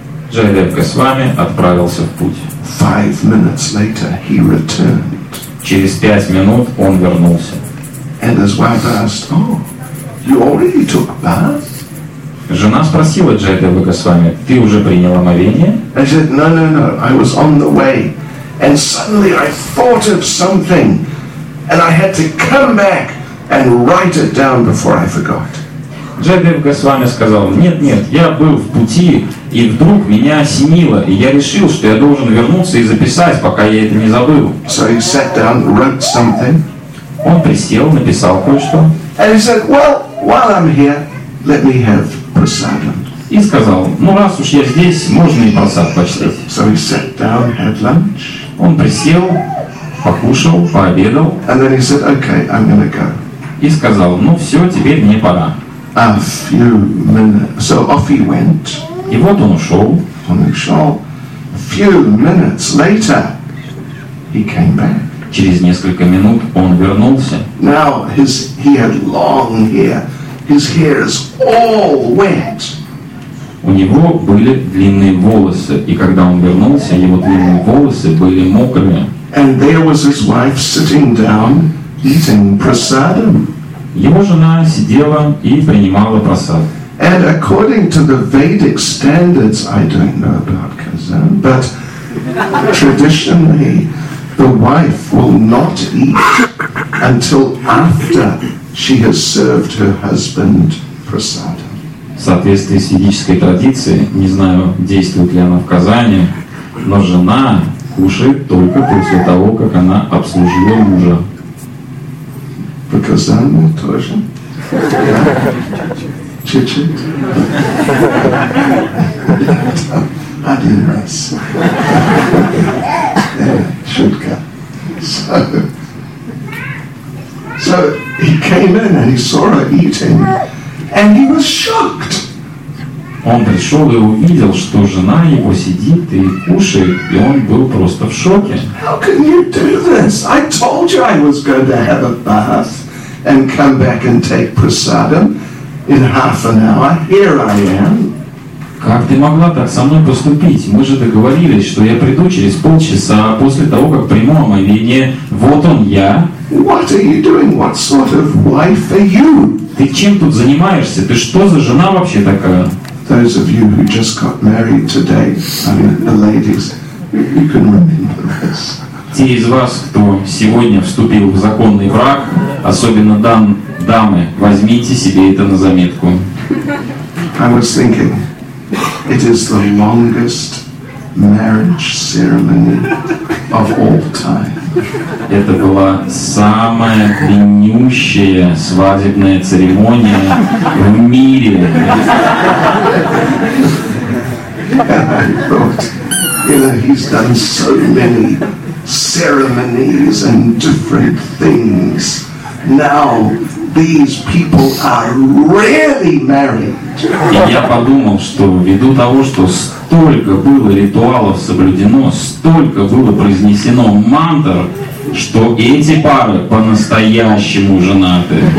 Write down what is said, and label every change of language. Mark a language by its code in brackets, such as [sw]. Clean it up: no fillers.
[ru] Jayadev Goswami отправился в путь. [en] 5 minutes later he returned. [ru] Через 5 минут он вернулся. [en] And his wife asked, "Oh, you already took bath?" [ru] Жена спросила Jayadeva Goswami: "Ты уже принял омовение?" [en] I said, "No, no, no. I was on the way, and suddenly I thought of something, and I had to come back and write it down before I forgot." [ru] Jayadev Goswami сказал: «Нет, нет, я был в пути, и вдруг меня осенило, и я решил, что я должен вернуться и записать, пока я это не забыл». [en] So he sat down, wrote something. [ru] Он присел, написал кое-что. [en] And he said, "Well, while I'm here, let me have prasadam." [ru] И сказал: «Ну, раз уж я здесь, можно и просад почитать». [en] So he sat down, had lunch. [ru] Он присел, покушал, пообедал. [en] And then he said, "Okay, I'm gonna go." [ru] И сказал: «Ну все, теперь мне пора». [en] A few minutes. So off he went. [ru] И вот он ушел. Он ушел. [en] A few minutes later, he came back. [ru] Через несколько минут он вернулся. [en] Now he had long hair. His hair is all wet. [ru] У него были длинные волосы, и когда он вернулся, его длинные волосы были мокрыми. [en] And there was his wife sitting down, eating prasadam. [ru] Его жена сидела и принимала просад. [en] And according to the Vedic standards, I don't know about Kazan, but traditionally, the wife will not eat until after she has served her husband prasad. [ru] В соответствии с ведической традицией, не знаю, действует ли она в Казани, но жена кушает только после того, как она обслужила мужа. Показание тоже. Чуть-чуть. Один раз. Шутка. [en] So he came in and he saw her eating. And he was shocked. [ru] Он пришел и увидел, что жена его сидит и кушает, и он был просто в шоке. [en] How can you do this? I told you I was going to have a bath and come back and take prasadam in half an hour. Here I am. [ru] Как ты могла так со мной поступить? Мы же договорились, что я приду через полчаса после того, как приму омовение. Вот он я. [en] What are you doing? What sort of wife are you? [ru] Ты чем тут занимаешься? Ты что за жена вообще такая? [en] Those of you who just got married today, I mean, the ladies, you can remember this. [ru] Те из вас, кто сегодня вступил в законный брак, особенно дамы, возьмите себе это на заметку. [en] I was thinking, it is the longest marriage ceremony of all time. [ru] Это была самая длиннющая свадебная церемония в мире. [en] And I thought, you know, he's done so many ceremonies and different things. Now these people are really married. [ru] И я подумал, что ввиду того, что столько было ритуалов соблюдено, столько было произнесено мантр, что эти пары по-настоящему женаты.